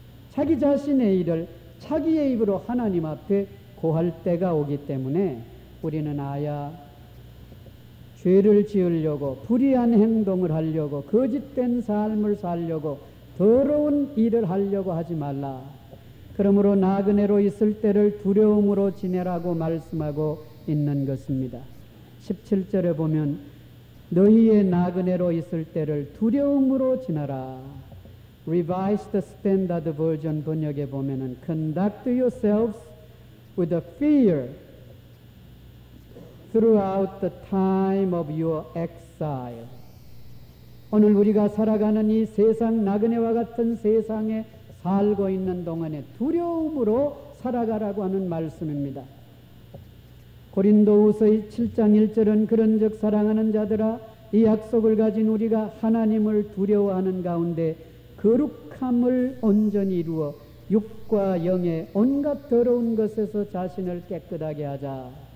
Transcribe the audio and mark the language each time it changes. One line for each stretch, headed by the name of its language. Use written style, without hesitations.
Korean: 자기 자신의 일을 자기의 입으로 하나님 앞에 고할 때가 오기 때문에 우리는 아야 죄를 지으려고 불의한 행동을 하려고 거짓된 삶을 살려고 더러운 일을 하려고 하지 말라. 그러므로 나그네로 있을 때를 두려움으로 지내라고 말씀하고 있는 것입니다. 17절에 보면 너희의 나그네로 있을 때를 두려움으로 지나라.
English: Revised Standard Version
Korean: 번역에 보면은
English: Conduct yourselves with a fear throughout the time of your exile.
Korean: 오늘 우리가 살아가는 이 세상 나그네와 같은 세상에 살고 있는 동안에 두려움으로 살아가라고 하는 말씀입니다. 고린도후서의 7장 1절은 그런즉 사랑하는 자들아 이 약속을 가진 우리가 하나님을 두려워하는 가운데 거룩함을 온전히 이루어 육과 영의 온갖 더러운 것에서 자신을 깨끗하게 하자.